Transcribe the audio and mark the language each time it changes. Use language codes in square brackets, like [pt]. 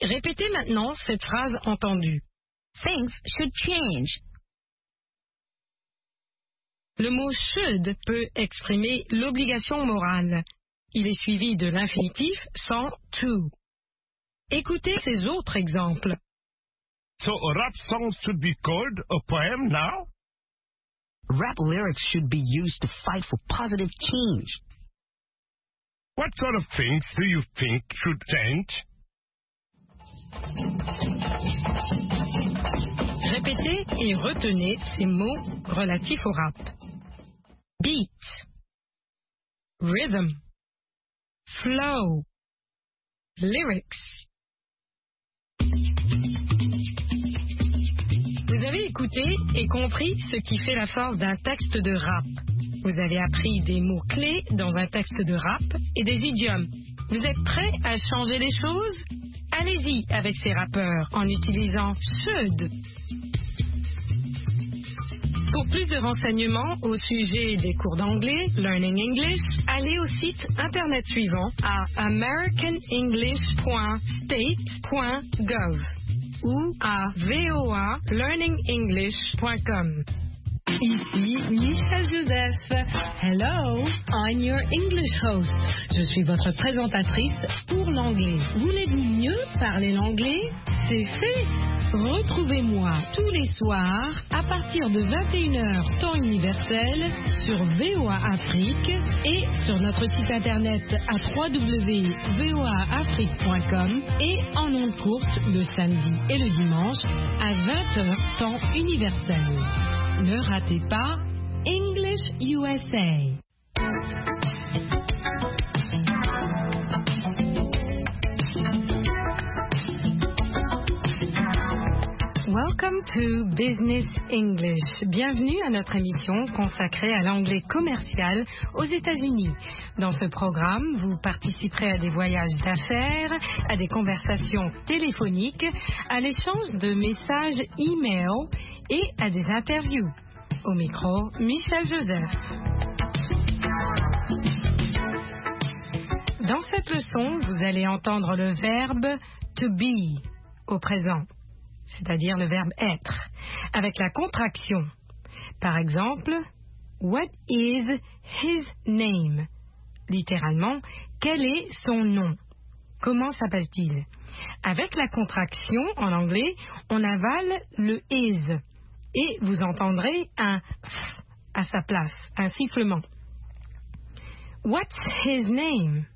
[fr] Répétez maintenant cette phrase entendue. [en] Things should change. [fr] Le mot « should » peut exprimer l'obligation morale. Il est suivi de l'infinitif sans « to ». Écoutez ces autres exemples. [en] So a rap song should be called a poem now? Rap lyrics should be used to fight for positive change. What sort of things do you think should change? [fr] Répétez et retenez ces mots relatifs au rap. [en] Beat, rhythm, flow, lyrics, [fr] avez écouté et compris ce qui fait la force d'un texte de rap. Vous avez appris des mots clés dans un texte de rap et des idiomes. Vous êtes prêt à changer les choses? Allez-y avec ces rappeurs en utilisant should. Pour plus de renseignements au sujet des cours d'anglais, Learning English, allez au site internet suivant à americanenglish.state.gov ou à voalearningenglish.com. Ici Michel Joseph. [en] Hello, I'm your English host. [fr] Je suis votre présentatrice pour l'anglais. Voulez-vous mieux parler l'anglais? C'est fait! Retrouvez-moi tous les soirs à partir de 21h temps universel sur VOA Afrique et sur notre site internet à www.voaafrique.com et en ondes courtes le samedi et le dimanche à 20h temps universel. Ne ratez pas English USA. [en] Welcome to Business English. [fr] Bienvenue à notre émission consacrée à l'anglais commercial aux États-Unis. Dans ce programme, vous participerez à des voyages d'affaires, à des conversations téléphoniques, à l'échange de messages e-mail et à des interviews. Au micro, Michel Joseph. Dans cette leçon, vous allez entendre le verbe to be au présent, c'est-à-dire le verbe être, avec la contraction. Par exemple, [en] what is his name? [fr] Littéralement, quel est son nom? Comment s'appelle-t-il? Avec la contraction, en anglais, on avale le is et vous entendrez un f à sa place, un sifflement. [en] What's his name?